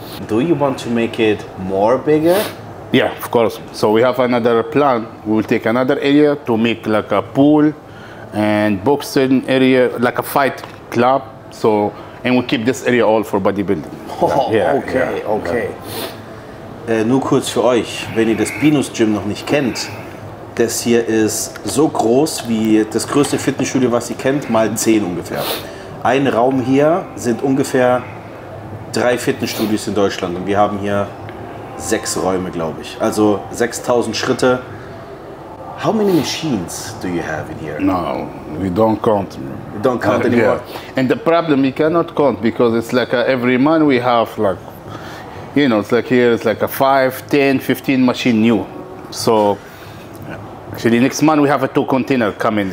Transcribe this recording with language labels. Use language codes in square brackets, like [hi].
[en] Do you want to make it more bigger? Yeah, of course. So we have another plan. We will take another area to make like a pool and boxing area, like a fight club. So, and we keep this area all for bodybuilding. Oh, yeah, okay, yeah, okay. Yeah. [de] Nur kurz für euch, wenn ihr das Binus Gym noch nicht kennt, das hier ist so groß wie das größte Fitnessstudio, was ihr kennt, mal 10 ungefähr. Ein Raum hier sind ungefähr 3 Fitnessstudios in Deutschland und wir haben hier 6 Räume, glaube ich. Also 6000 Schritte. [en] How many machines do you have in here? No, we don't count. We don't count anymore. Yeah. And the problem, we cannot count because it's like every month we have like, you know, it's like here, it's like a 5, 10, 15 machine new. So, actually next month we have a 2 container coming.